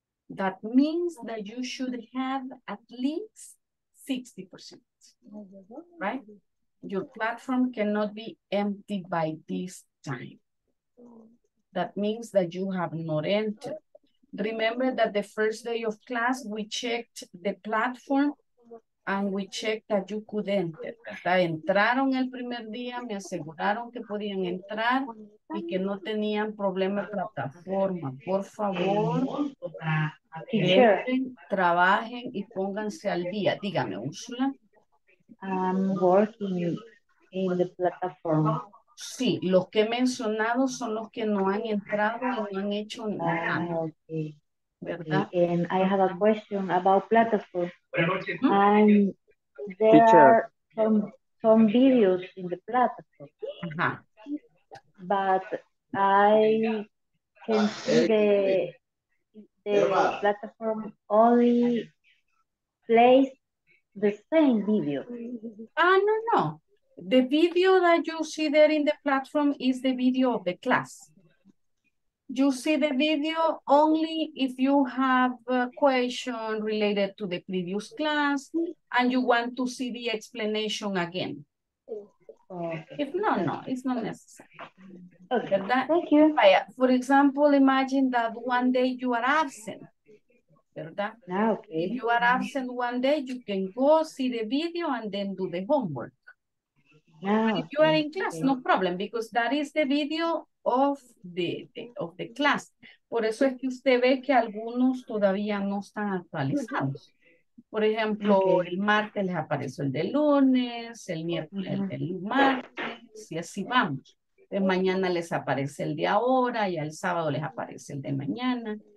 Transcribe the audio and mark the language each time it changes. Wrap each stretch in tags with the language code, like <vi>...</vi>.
<en>That means that you should have at least 60%, right? Your platform cannot be empty by this time. That means that you have not entered. Remember that the first day of class, we checked the platform and we checked that you could enter.</en> <es>Entraron el primer día, me aseguraron que podían entrar y que no tenían problema de plataforma. Por favor, trabajen y pónganse al día. Dígame, Úrsula.</es> <en>I'm working in the platform.</en> <es>Sí, los que he mencionado son los que no han entrado y no han hecho nada. Okay. ¿Verdad?</es> <en>Okay. And I have a question about platform. And there are some videos in the platform. But I can see the platform only plays the same video. No. The video that you see there in the platform is the video of the class. You see the video only if you have a question related to the previous class and you want to see the explanation again. Okay. If no, no, it's not necessary. Okay, that, thank you. For example, imagine that one day you are absent. Okay. If you are absent one day, you can go see the video and then do the homework. Okay. If you are in class, no problem, because that is the video of the class.</en> <es>Por eso es que usted ve que algunos todavía no están actualizados. Por ejemplo, okay. El martes les apareció el de lunes, el miércoles el del martes, y así vamos. De mañana les aparece el de ahora, y el sábado les aparece el de mañana.</es>